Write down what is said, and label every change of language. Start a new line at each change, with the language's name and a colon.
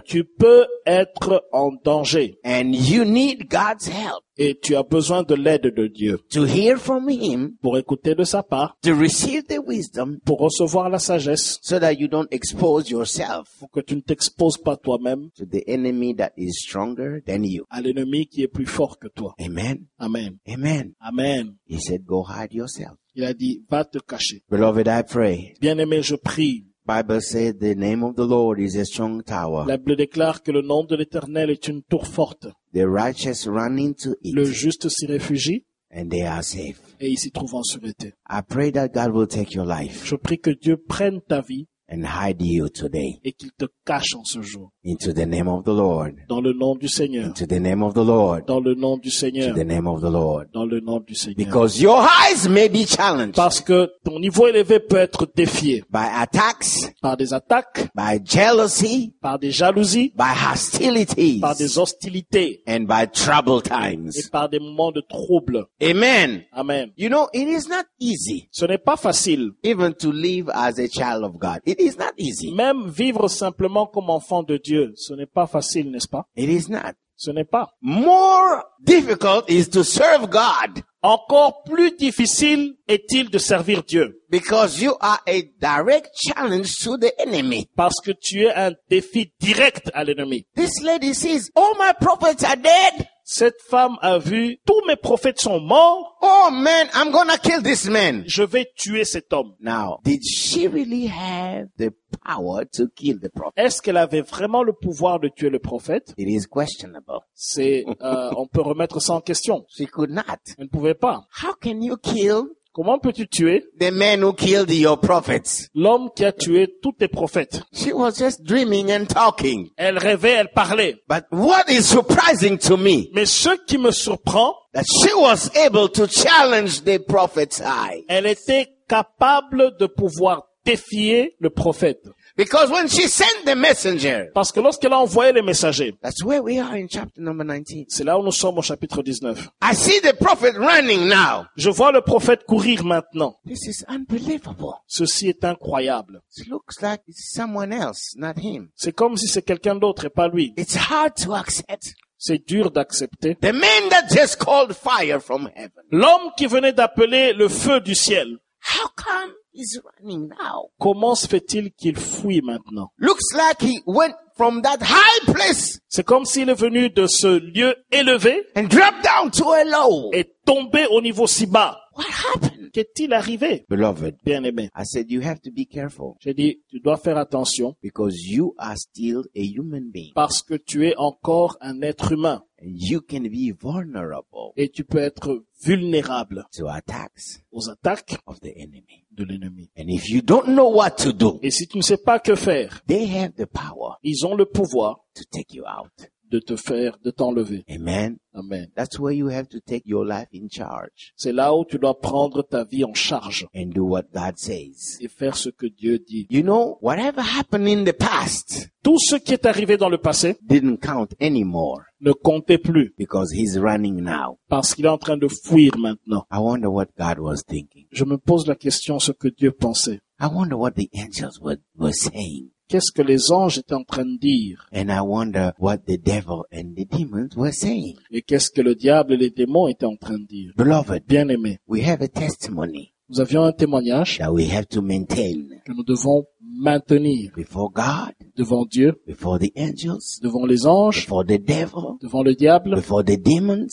French: Tu peux être en danger.
English: And you need God's help.
French: Et tu as besoin de l'aide de Dieu.
English: To hear from him.
French: Pour écouter de sa part.
English: To receive the wisdom.
French: Pour recevoir la sagesse.
English: So that you don't expose yourself.
French: Pour que tu ne t'exposes pas toi-même.
English: To the enemy that is stronger than you.
French: À l'ennemi qui est plus fort que toi.
English: Amen.
French: Amen.
English: Amen.
French: Amen.
English: He said, go hide yourself.
French: Il a dit, va te cacher.
English: Beloved, I pray.
French: Bien-aimé, je prie.
English: Bible says the name of the Lord is a strong tower.
French: La Bible déclare que le nom de l'Éternel est une tour forte.
English: The righteous run into it.
French: Le juste s'y réfugie.
English: And they are safe.
French: Et ils s'y trouvent en sûreté.
English: I pray that God will take your life.
French: Je prie que Dieu prenne ta vie.
English: and hide you today.
French: Et qu'il te cache en ce jour.
English: Into the name of the Lord.
French: Dans le nom du Seigneur.
English: Into the name of the Lord.
French: Dans le nom du Seigneur.
English: Into the name of the Lord.
French: Dans le nom du Seigneur.
English: Because your highs may be challenged.
French: Parce que ton niveau élevé peut être défié.
English: By attacks.
French: Par des attaques.
English: By jealousy.
French: Par des jalousies.
English: By hostilities.
French: Par des hostilités.
English: And by troubled times.
French: Et par des moments de trouble.
English: Amen.
French: Amen.
English: You know, it is not easy.
French: Ce n'est pas facile.
English: Even to live as a child of God. It is not easy.
French: Même vivre simplement comme enfant de Dieu, ce n'est pas facile, n'est-ce pas?
English: It is not.
French: Ce n'est pas.
English: More difficult is to serve God.
French: Encore plus difficile est-il de servir Dieu.
English: Because you are a direct challenge to the enemy.
French: Parce que tu es un défi direct à l'ennemi.
English: This lady says, "All my prophets are dead."
French: Cette femme a vu, tous mes prophètes sont morts.
English: Oh man, I'm gonna kill this man.
French: Je vais tuer cet homme.
English: Now, did she really have the power to kill the prophet?
French: Est-ce qu'elle avait vraiment le pouvoir de tuer le prophète?
English: It is questionable.
French: C'est, on peut remettre ça en question.
English: She could not.
French: Elle ne pouvait pas.
English: How can you kill?
French: Comment peux-tu tuer?
English: The man who killed your prophets.
French: L'homme qui a tué tous tes prophètes.
English: She was just dreaming and talking.
French: Elle rêvait, elle parlait.
English: But what is surprising to me?
French: Mais ce qui me surprend,
English: that she was able to challenge the prophet's eye.
French: Elle était capable de pouvoir défier le prophète.
English: Because when she sent the messenger,
French: parce que lorsqu'elle a envoyé les messagers,
English: that's where we are in chapter number 19.
French: C'est là où nous sommes au chapitre 19.
English: I see the prophet running now.
French: Je vois le prophète courir maintenant.
English: This is unbelievable.
French: Ceci est incroyable.
English: It looks like it's someone else, not him.
French: C'est comme si c'est quelqu'un d'autre et pas lui.
English: It's hard to accept.
French: C'est dur d'accepter.
English: The man that just called fire from heaven.
French: L'homme qui venait d'appeler le feu du ciel.
English: How come? He's running now.
French: Comment se fait-il qu'il fuit maintenant?
English: Looks like he went from that high place.
French: C'est comme s'il est venu de ce lieu élevé.
English: And dropped down to a low.
French: Et tombé au niveau si bas.
English: What happened?
French: Qu'est-il arrivé?
English: Beloved,
French: bien-aimé.
English: I said you have to be careful.
French: J'ai dit tu dois faire attention.
English: Because you are still a human being.
French: Parce que tu es encore un être humain.
English: And you can be vulnerable.
French: Et tu peux être vulnérable.
English: To attacks.
French: Aux attaques.
English: Of the enemy.
French: De l'ennemi.
English: And if you don't know what to do.
French: Et si tu ne sais pas que faire.
English: They have the power.
French: Ils ont le pouvoir.
English: To take you out.
French: De te faire, de t'enlever.
English: Amen.
French: Amen.
English: That's where you have to take your life in charge.
French: C'est là où tu dois prendre ta vie en charge.
English: And do what God says.
French: Et faire ce que Dieu dit.
English: You know, whatever happened in the past.
French: Tout ce qui est arrivé dans le passé.
English: Didn't count anymore.
French: Ne comptait plus.
English: Because he's running now.
French: Parce qu'il est en train de fuir maintenant.
English: I wonder what God was thinking.
French: Je me pose la question ce que Dieu pensait.
English: I wonder what the angels were saying.
French: Qu'est-ce que les anges étaient en train de dire?
English: And I wonder what the devil and the demons were saying.
French: Et qu'est-ce que le diable et les démons étaient en train de dire?
English: Beloved,
French: bien-aimé,
English: we have a testimony.
French: Nous avions un témoignage
English: that we have to maintain.
French: Que nous devons maintenir
English: before God,
French: devant Dieu,
English: before the angels,
French: devant les anges,
English: before the devil,
French: devant le diable,
English: before the demons,